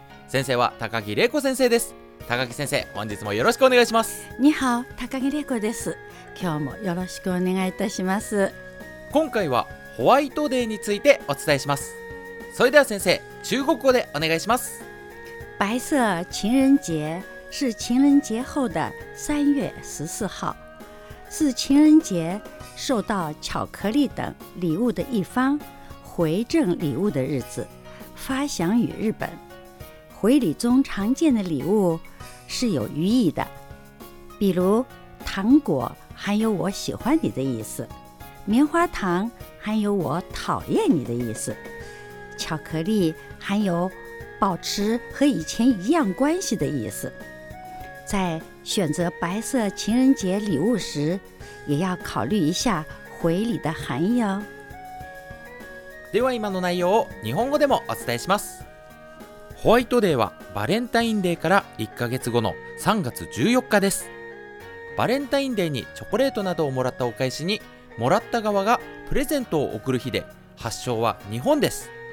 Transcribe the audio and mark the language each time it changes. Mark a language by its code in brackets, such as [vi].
[ja] 先生は高木玲子先生です。高木先生、本日もよろしくお願いします。ニハオ、高木玲子です。今日もよろしくお願いいたします。今回はホワイトデーについてお伝えします。それでは先生、中国語でお願いします。 [zh] 白色情人节是情人节后的3月14号，是情人节受到巧克力等礼物的一方回赠礼物的日子，发祥于日本。回礼中常见的礼物是有寓意的，比如糖果含有我喜欢你的意思，棉花糖含有我讨厌你的意思，巧克力含有保持和以前一样关系的意思。在选择白色情人节礼物时，也要考虑一下回礼的含义哦。 [ja] では今の内容を日本語でもお伝えします。ホワイトデーはバレンタインデーから1ヶ月後の3月14日です。バレンタインデーにチョコレートなどをもらったお返しに、もらった側がプレゼントを贈る日で、発祥は日本です。